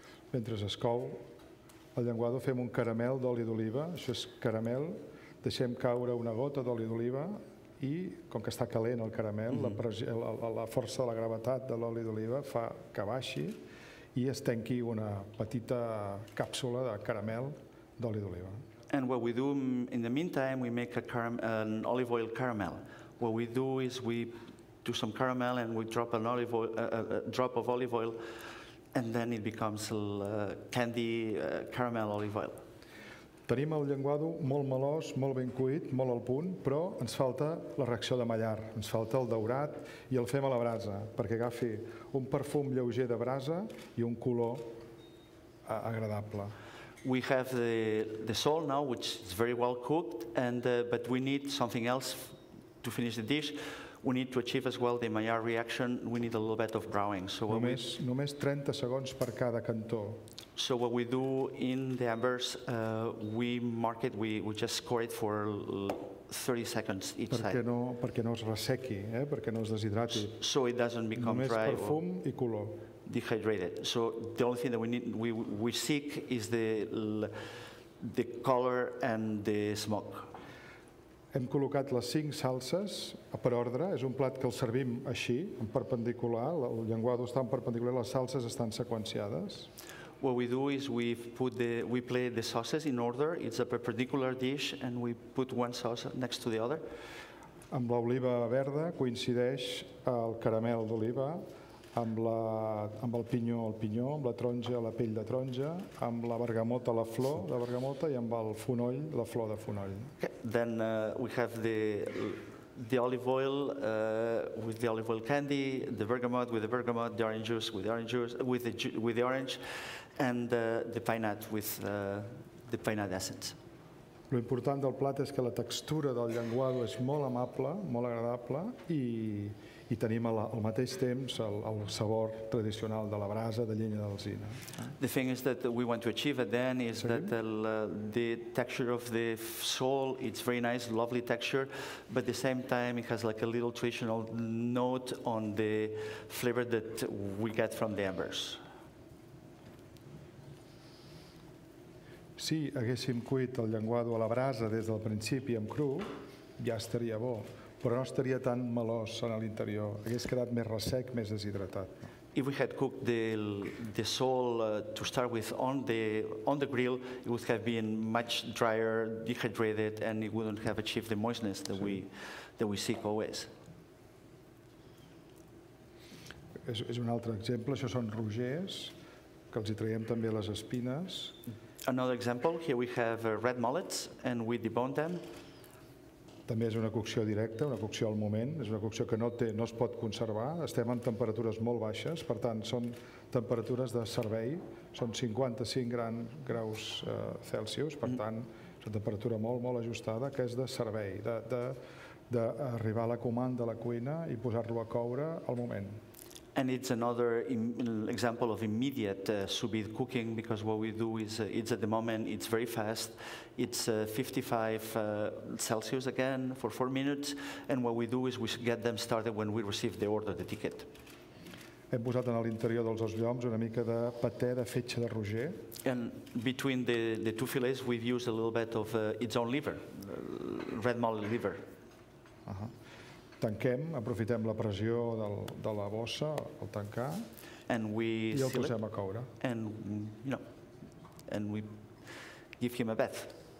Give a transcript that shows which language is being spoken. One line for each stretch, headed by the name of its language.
Catalan: Mentre es cou el llenguado fem un caramel d'oli d'oliva, això és caramel, deixem caure una gota d'oli d'oliva I com que està calent el caramel, la força de la gravetat de l'oli d'oliva fa que baixi I es tanqui una petita càpsula de caramel d'oli d'oliva.
English: And what we do in the meantime, we make an olive oil caramel. What we do is we do some caramel and we drop an olive oil, a drop of olive oil, and then it becomes candy caramel olive oil.
Catalan: Tenim el llenguado molt melós, molt ben cuit, molt al punt, però ens falta la reacció de mallar, ens falta el daurat i el fem a la brasa perquè agafi un perfum lleuger de brasa i un color agradable.
English: We have the sole now, which is very well cooked, but we need something else to finish the dish. We need to achieve as well the Maillard reaction. We need a little bit of browning. So
Catalan: només,
English: we,
Catalan: només 30 segons per cada cantó.
English: So what we do in the embers, we mark it, we just score it for 30 seconds each
Catalan: perquè
English: side.
Catalan: No, perquè no es ressequi, perquè no es deshidrati.
English: So it doesn't become
Catalan: només
English: dry.
Catalan: Només perfum i color.
English: Dehydrated. So the only thing that we seek is the color and the smoke.
Catalan: Hem col·locat les cinc salses per ordre. És un plat que el servim així, en perpendicular. El llenguado està en perpendicular, les salses estan seqüenciades.
English: What we do is we play the sauces in order. It's a perpendicular dish and we put one sauce next to the other.
Catalan: Amb l'oliva verda coincideix el caramel d'oliva amb el pinyó al pinyó, amb la taronja la pell de taronja, amb la bergamota la flor de bergamota i amb el fonoll la flor de fonoll.
English: Then we have the olive oil with the olive oil candy, the bergamot with the bergamot, the orange juice with the orange juice, with the orange, and the pine nut with the pine nut essence.
Catalan: Lo important del plat és que la textura del llenguado és molt amable, molt agradable i tenim al mateix temps el sabor tradicional de la brasa de llenya d'alzina.
English: The thing is that we want to achieve at the end is that the texture of the sole, it's very nice, lovely texture, but at the same time it has like a little traditional note on the flavor that we get from the embers.
Catalan: Si haguéssim cuit el llenguado a la brasa des del principi en cru, ja estaria bo, però no estaria tan melós en l'interior, hagués quedat més ressec, més deshidratat.
English: If we had cooked the sole to start with on the grill, it would have been much drier, dehydrated, and it wouldn't have achieved the moistness that we seek always.
Catalan: És un altre exemple, això són rogers, que els hi traiem també les espines.
English: Another example, here we have red mullets and we debone them.
Catalan: També és una cocció directa, una cocció al moment, és una cocció que no es pot conservar, estem en temperatures molt baixes, per tant, són temperatures de servei, són 55 graus Celsius, per tant, és una temperatura molt, molt ajustada, que és de servei, d'arribar a la comanda a la cuina i posar-lo a coure al moment.
English: And it's another example of immediate sous-vide cooking because what we do is it's at the moment, it's very fast. It's 55 Celsius again for 4 minutes. And what we do is we get them started when we receive the order, the ticket.
Catalan: Hem posat en l'interior dels dos lloms una mica de paté de fetge de roger.
English: And between the two fillets, we've used a little bit of its own liver, red mullet liver.
Catalan: Tanquem, aprofitem la pressió de la bossa, el tancar, i el posem a coure.
English: And, you know, and we give him a bath.